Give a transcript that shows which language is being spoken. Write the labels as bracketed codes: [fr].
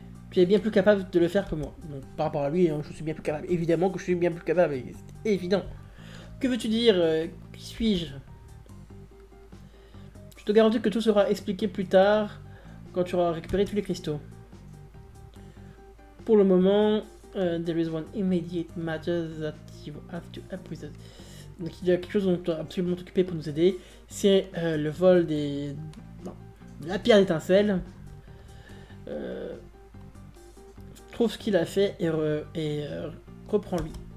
[fr] Tu es bien plus capable de le faire que moi. Donc, par rapport à lui, je suis bien plus capable. Évidemment que je suis bien plus capable, c'est évident. Que veux-tu dire? Qui suis-je? Je te garantis que tout sera expliqué plus tard quand tu auras récupéré tous les cristaux. Pour le moment, [en] there is one immediate matter that you have to appreciate. [fr] Donc il y a quelque chose dont tu dois absolument t'occuper pour nous aider. C'est le vol des... Non, la pierre d'étincelle. Trouve ce qu'il a fait et reprends-lui.